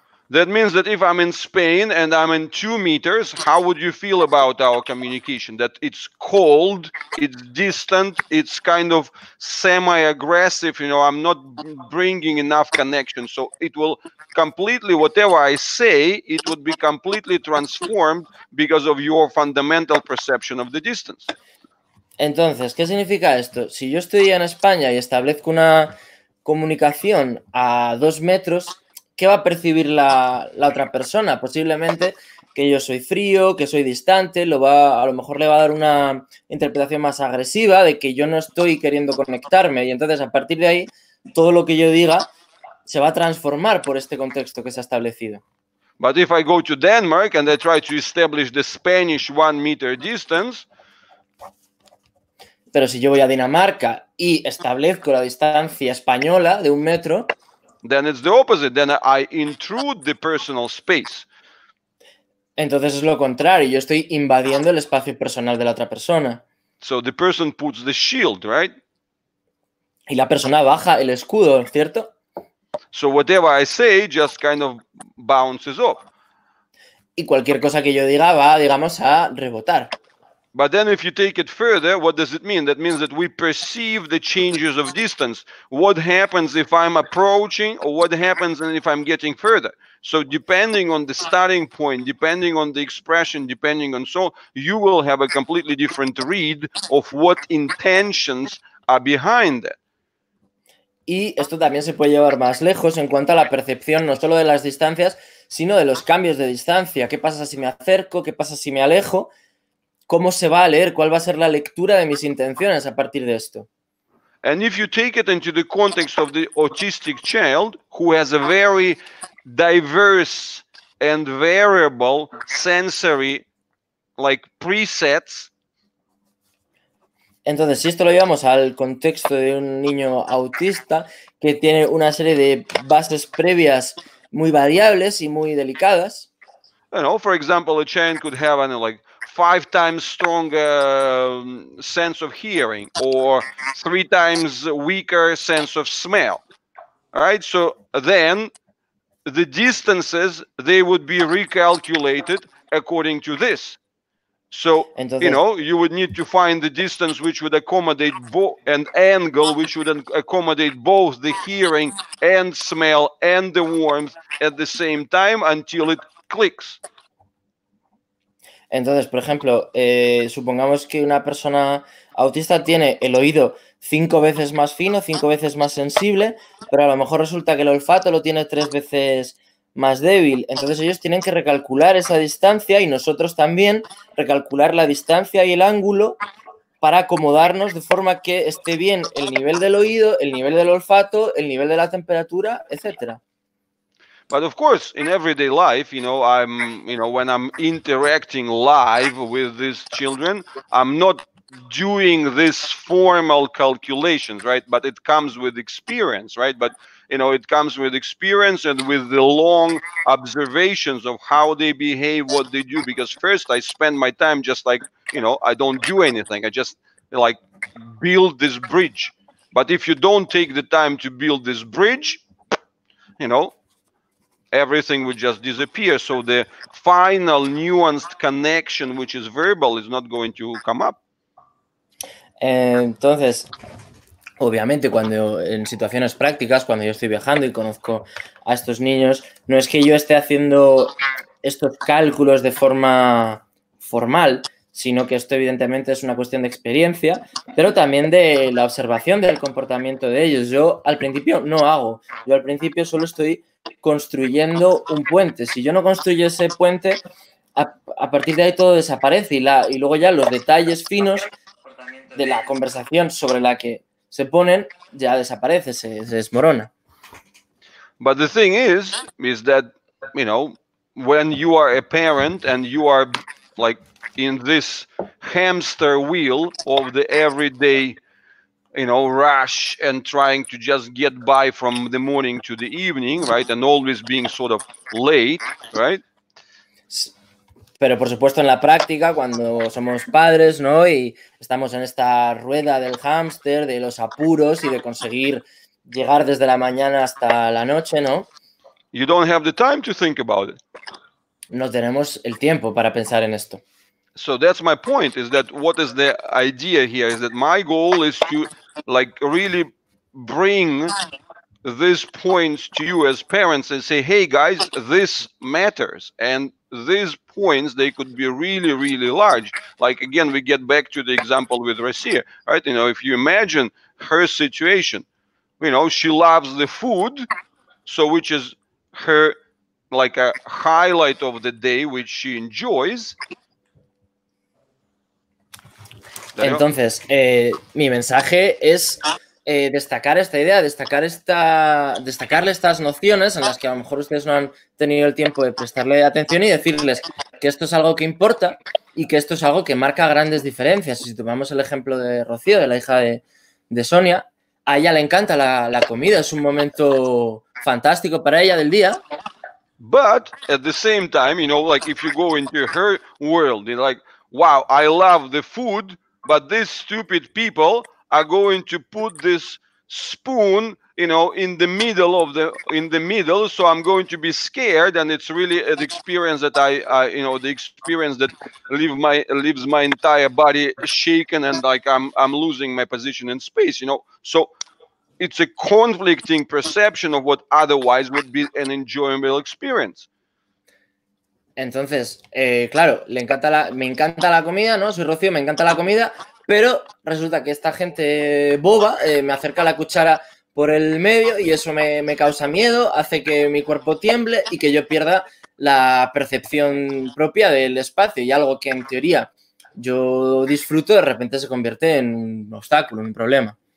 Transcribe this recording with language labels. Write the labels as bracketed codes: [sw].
[en] That means that if I'm in Spain and I'm in 2 meters, how would you feel about our communication? That it's cold, it's distant, it's kind of semi-aggressive, you know, I'm not bringing enough connection. So it will completely, whatever I say, it would be completely transformed because of your fundamental perception of the distance. [es] Entonces, ¿qué significa esto? Si yo estoy en España y establezco una comunicación a 2 metros, ¿qué va a percibir la otra persona? Posiblemente que yo soy frío, que soy distante, a lo mejor le va a dar una interpretación más agresiva de que yo no estoy queriendo conectarme. Y entonces, a partir de ahí, todo lo que yo diga se va a transformar por este contexto que se ha establecido. [en] But if I go to Denmark and I try to establish the Spanish 1 meter distance. [es] Pero si yo voy a Dinamarca y establezco la distancia española de 1 metro. [en] Then it's the opposite. Then I intrude the personal space. [es] Entonces es lo contrario. Yo estoy invadiendo el espacio personal de la otra persona. [en] So the person puts the shield, right? [es] Y la persona baja el escudo, ¿cierto? [en] So whatever I say just kind of bounces off. [es] Y cualquier cosa que yo diga va, digamos, a rebotar. [en] But then if you take it further, what does it mean? That means that we perceive the changes of distance. What happens if I'm approaching or what happens if I'm getting further? So depending on the starting point, depending on the expression, depending on so, you will have a completely different read of what intentions are behind it. [es] Y esto también se puede llevar más lejos en cuanto a la percepción, no solo de las distancias, sino de los cambios de distancia. ¿Qué pasa si me acerco? ¿Qué pasa si me alejo? ¿Cómo se va a leer? ¿Cuál va a ser la lectura de mis intenciones a partir de esto? [en] And if you take it into the context of the autistic child who has a very diverse and variable sensory like presets. [es] Entonces, si esto lo llevamos al contexto de un niño autista que tiene una serie de bases previas muy variables y muy delicadas. [en] You know, for example, a child could have an like 5 times stronger sense of hearing or 3 times weaker sense of smell. All right, so then the distances, they would be recalculated according to this. So, entonces, you know, you would need to find the distance which would accommodate both and angle which would accommodate both the hearing and smell and the warmth at the same time until it clicks. [es] Entonces, por ejemplo, supongamos que una persona autista tiene el oído 5 veces más fino, 5 veces más sensible, pero a lo mejor resulta que el olfato lo tiene 3 veces más débil. Entonces ellos tienen que recalcular esa distancia y nosotros también recalcular la distancia y el ángulo para acomodarnos de forma que esté bien el nivel del oído, el nivel del olfato, el nivel de la temperatura, etcétera. [en] But of course, in everyday life, you know, I'm, you know, when I'm interacting live with these children, I'm not doing this formal calculations, right? But it comes with experience, right? But, you know, it comes with experience and with the long observations of how they behave, what they do. Because first I spend my time just like, you know, I don't do anything. I just like build this bridge. But if you don't take the time to build this bridge, you know, everything would just disappear. So the final nuanced connection, which is verbal, is not going to come up. [es] Entonces, obviamente, cuando en situaciones prácticas, cuando yo estoy viajando y conozco a estos niños, no es que yo esté haciendo estos cálculos de forma formal, sino que esto evidentemente es una cuestión de experiencia, pero también de la observación del comportamiento de ellos. Yo al principio no hago, yo al principio solo estoy construyendo un puente. Si yo no construyo ese puente, a partir de ahí todo desaparece y luego ya los detalles finos de la conversación sobre la que se ponen ya desaparece, se desmorona. [en] But the thing is that, you know, when you are a parent and you are like in this hamster wheel of the everyday, you know, rush and trying to just get by from the morning to the evening, right? And always being sort of late, right? [es] Pero por supuesto, en la práctica, cuando somos padres, ¿no? Y estamos en esta rueda del hámster, de los apuros y de conseguir llegar desde la mañana hasta la noche, ¿no? [en] You don't have the time to think about it. [es] No tenemos el tiempo para pensar en esto. [en] So that's my point, is that what is the idea here, is that my goal is to like really bring these points to you as parents and say, hey guys, this matters. And these points, they could be really, really large. Like again, we get back to the example with Rasia, right? You know, if you imagine her situation, you know, she loves the food, so which is her like a highlight of the day which she enjoys. [es] Entonces, mi mensaje es destacar esta idea, destacarle estas nociones en las que a lo mejor ustedes no han tenido el tiempo de prestarle atención y decirles que esto es algo que importa y que esto es algo que marca grandes diferencias. Si tomamos el ejemplo de Rocío, de la hija de Sonia, a ella le encanta la comida, es un momento fantástico para ella del día. [en] But at the same time, you know, like if you go into her world, you're like, wow, I love the food, but these stupid people are going to put this spoon, you know, in the middle, so I'm going to be scared, and it's really an experience that leaves my entire body shaken, and like I'm losing my position in space, you know. So it's a conflicting perception of what otherwise would be an enjoyable experience. [es] Entonces, claro, me encanta la comida, ¿no? Soy Rocío, me encanta la comida, pero resulta que esta gente boba me acerca la cuchara por el medio y eso me causa miedo, hace que mi cuerpo tiemble y que yo pierda la percepción propia del espacio y algo que en teoría yo disfruto de repente se convierte en un obstáculo, un problema.